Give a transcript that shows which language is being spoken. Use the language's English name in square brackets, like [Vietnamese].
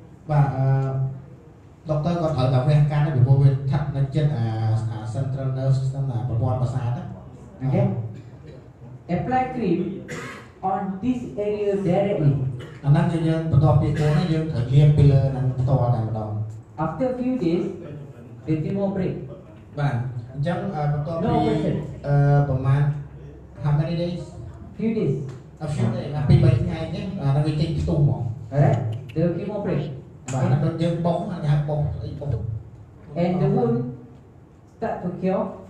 [Khmer] បាទ doctor គាត់ត្រូវតែវះកាន់ពីព្រោះវាថាត់នៅចិត្តអា [English] central nervous system [Khmer] ដែរប្រព័ន្ធប្រសាទហ្នឹង [English] អូខេ apply cream on this area directly. [Khmer] អានោះយើងបន្តពីខ្លួនហ្នឹងយើងត្រូវលាបពីលើហ្នឹងផ្ទាល់តែម្ដង [English] after few days the tumor break. [Khmer] បាទអញ្ចឹងបន្តពីប្រហែល [English] how many days few days [Khmer] អត់ឈឺតែពី3ថ្ងៃហ្នឹងអានោះវាចេញផ្ទុះហ្មង អរេទៅ [English] tumor break [Khmer] បាទអានោះយើងបោកអានេះបោកអីបោក [English] and the wound start to heal.